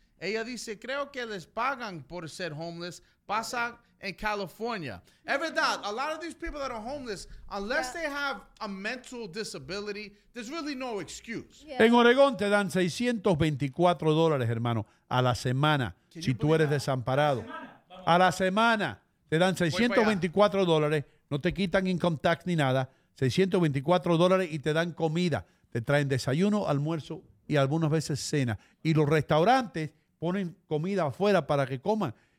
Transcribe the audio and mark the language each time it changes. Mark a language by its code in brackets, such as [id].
[es] Ella dice, creo que les pagan por ser homeless. Pasa en California. [en] Es verdad, a lot of these people that are homeless, unless they have a mental disability, there's really no excuse. Yeah. [es] En Oregón te dan $624, hermano, a la semana, si tú eres desamparado. A la semana te dan $624, no te quitan income tax ni nada, $624 y te dan comida. Te traen desayuno, almuerzo y algunas veces cena. Y los restaurantes ponen comida afuera para que coman.